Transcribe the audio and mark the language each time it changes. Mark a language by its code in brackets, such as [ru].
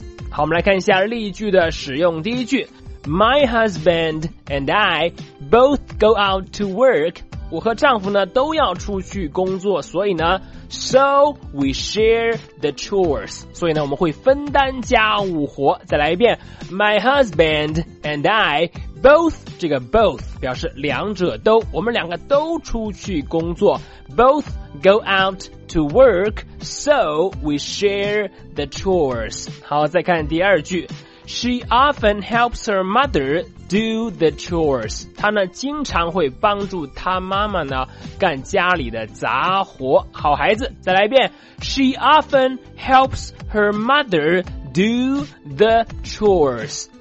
[zh] 好，我们来看一下例句的使用。第一句， [en] My husband and I both go out to work。 [zh] 我和丈夫呢都要出去工作，所以呢 [en] So we share the chores. [zh] 所以呢我们会分担家务活。再来一遍， [en] My husband and I both, [zh] 这个 both 表示两者都，我们两个都出去工作。 [en] Both go out to work, so we share the chores. [zh] 好，再看第二句， [en] She often helps her mother do the chores. [zh] 她呢经常会帮助她妈妈呢干家里的杂活。好孩子，再来一遍， [en] She often helps her mother do the chores。